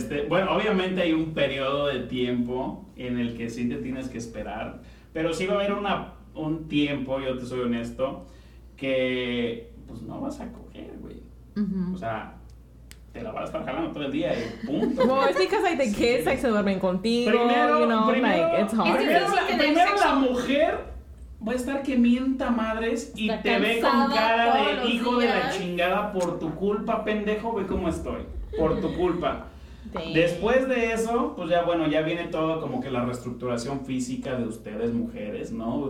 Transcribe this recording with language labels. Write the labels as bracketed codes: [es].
[es] Bueno, obviamente hay un periodo de tiempo en el que sí te tienes que esperar. Pero sí va a haber un tiempo, yo te soy honesto, que... pues no vas a coger, güey. Uh-huh. O sea, te la vas a estar jalando todo el día y punto. [en] Well, it's because like the kids like [es] se duermen contigo, primero, [en] you know, [es] primero, [en] like it's hard. [es] Primero la mujer va a estar que mienta madres y está te ve con cara de hijo de la chingada por tu culpa, pendejo, ve cómo estoy, por tu culpa. Después de eso, pues ya bueno, ya viene todo como que la reestructuración física de ustedes mujeres, ¿no?